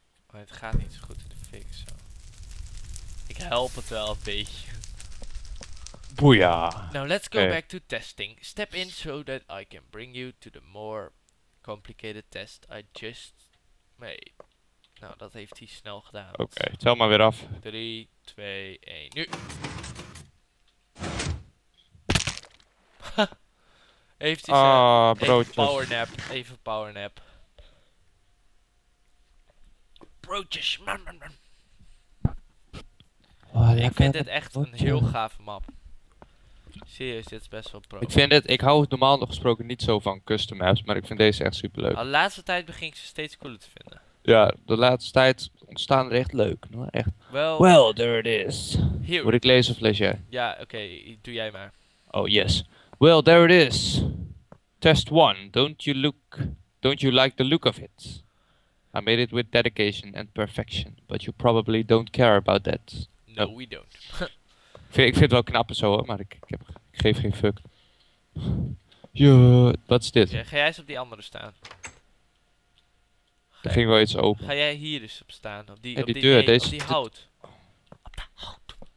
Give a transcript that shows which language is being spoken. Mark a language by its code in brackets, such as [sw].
[nl] Maar het gaat niet zo goed in de fik, zo. Ik help het wel een beetje. Boeiah. [en] Now let's go back to testing. Step in so that I can bring you to the more complicated test I just made. [nl] Nou, dat heeft hij snel gedaan. Oké, tel maar weer af. 3, 2, 1, nu. Heeft hij zo. Ah, broodjes. Even powernap. Broodjes. Ik vind dit echt een heel gave map. Serieus, dit is best wel pro. Ik vind dit, ik hou normaal gesproken niet zo van custom maps, maar ik vind deze echt super leuk. De laatste tijd begin ik ze steeds cooler te vinden. Ja, de laatste tijd ontstaan er echt leuk. Echt. [en] Well, there it is. Here. [nl] Moet ik lezen of lees jij? Ja, oké, doe jij maar. [en] Oh, yes. Well, there it is. Test 1. Don't you like the look of it? I made it with dedication and perfection, but you probably don't care about that. No, we don't. [nl] Ik vind het wel knap en zo hoor, maar ik geef geen fuck. Yeah, wat is dit? Ja, ga jij eens op die andere staan. Er ging wel iets open. Ga jij hier eens op staan? Op die, ja, op die deur, nee, deze. Op die hout. Op dat hout.